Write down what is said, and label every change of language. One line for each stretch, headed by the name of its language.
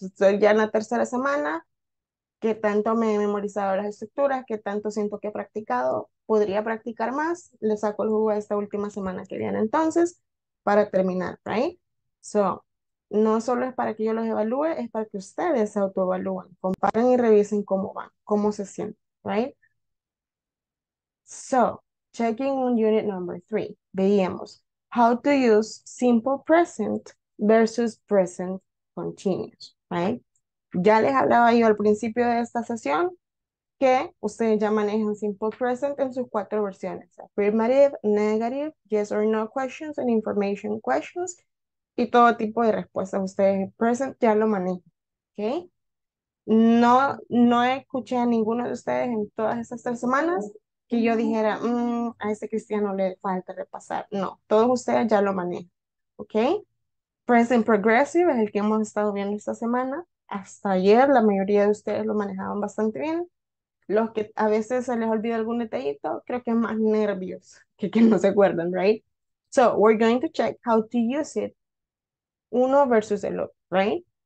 Spanish: Estoy ya en la tercera semana, qué tanto me he memorizado las estructuras, qué tanto siento que he practicado, podría practicar más, les saco el jugo a esta última semana que viene entonces para terminar, right? So, no solo es para que yo los evalúe, es para que ustedes se autoevalúen, comparen y revisen cómo van, cómo se sienten, right?
English: So, checking on unit number 3. Veíamos how to use simple present versus present continuous, right?
Spanish: Ya les hablaba yo al principio de esta sesión que ustedes ya manejan simple present en sus cuatro versiones.
English: Affirmative, negative, yes or no questions, and information questions.
Spanish: Y todo tipo de respuestas. Ustedes en present ya lo manejan, okay? No escuché a ninguno de ustedes en todas estas tres semanas que yo dijera, a ese cristiano le falta repasar. No, todos ustedes ya lo manejan, ¿ok? Present progressive es el que hemos estado viendo esta semana. Hasta ayer la mayoría de ustedes lo manejaban bastante bien. Los que a veces se les olvida algún detallito, creo que es más nervios que no se acuerdan, right?
English: So, we're going to check how to use it
Spanish: uno versus el otro,
English: right?